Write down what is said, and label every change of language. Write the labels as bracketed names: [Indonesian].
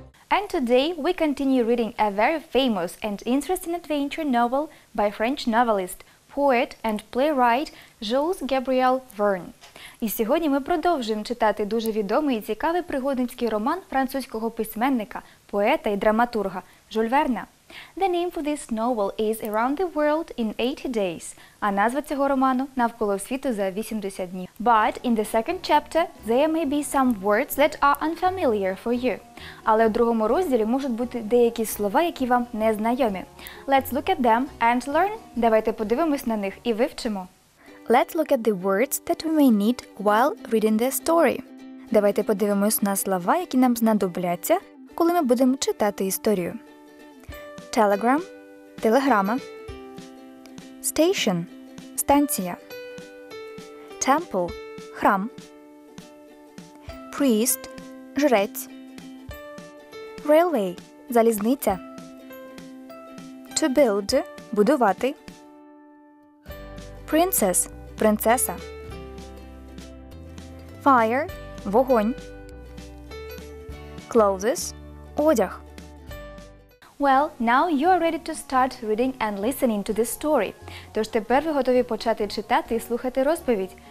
[English] And today we continue reading a very famous and interesting adventure novel by French novelist, poet and playwright Jules Gabriel Verne. [Ukrainian] І сьогодні ми продовжуємо читати дуже відомий і цікавий пригодницький роман французького письменника, поета і драматурга Жюль Верна. [English] The name for this novel is Around the World in 80 Days, [Ukrainian] а назва цього роману – Навколо світу за 80 днів. [English] But in the second chapter there may be some words that are unfamiliar for you. [Ukrainian] Але у другому розділі можуть бути деякі слова, які вам не знайомі. [English] Let's look at them and learn. [Ukrainian] Давайте подивимось на них і вивчимо. [English] Let's look at the words that we may need while reading the story. [Ukrainian] Давайте подивимось на слова, які нам знадобляться, коли ми будемо читати історію. [English] Telegram – телеграма. Station – станція. Temple – храм. Priest – жрець. Railway – залізниця. To build – будувати. Princess – принцеса. Fire – вогонь. Clothes – одяг. Well, now you are ready to start reading and listening to this story. [Ukrainian] Тож тепер ви готові почати читати і слухати розповідь.